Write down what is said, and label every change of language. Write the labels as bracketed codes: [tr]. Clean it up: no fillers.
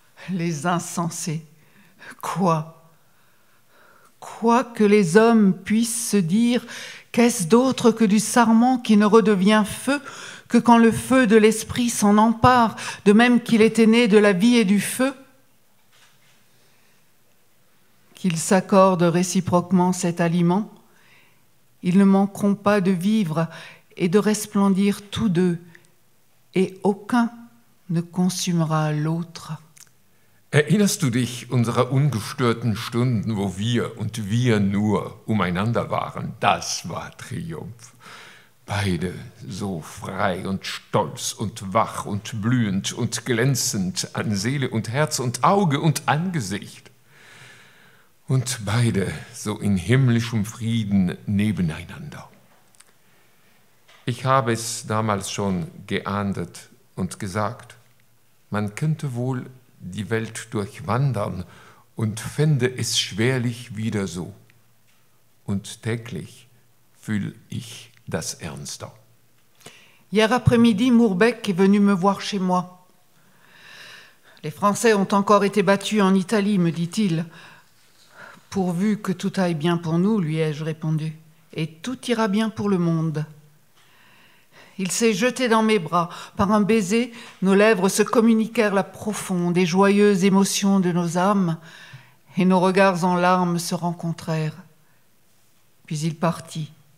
[fr] Les insensés, quoi ? Quoi que les hommes puissent se dire, qu'est-ce d'autre que du sarment qui ne redevient feu que quand le feu de l'esprit s'en empare, de même qu'il était né de la vie et du feu? Qu'ils s'accordent réciproquement cet aliment, ils ne manqueront pas de vivre et de resplendir tous deux, et aucun ne consumera l'autre. [de] Erinnerst du dich unserer ungestörten Stunden, wo wir und wir nur umeinander waren? Das war Triumph. Beide so frei und stolz und wach und blühend und glänzend an Seele und Herz und Auge und Angesicht. Und beide so in himmlischem Frieden nebeneinander. Ich habe es damals schon geahndet und gesagt, man könnte wohl die Welt durchwandern und fände es schwerlich wieder so. Und täglich fühle ich das ernster. [fr] Hier après-midi, Mourbeck est venu me voir chez moi. Les Français ont encore été battus en Italie, me dit-il. Pourvu que tout aille bien pour nous, lui ai-je répondu, et tout ira bien pour le monde. Il s'est jeté dans mes bras. Par un baiser, nos lèvres se communiquèrent la profonde et joyeuse émotion de nos âmes, et nos regards en larmes se rencontrèrent. Puis il partit.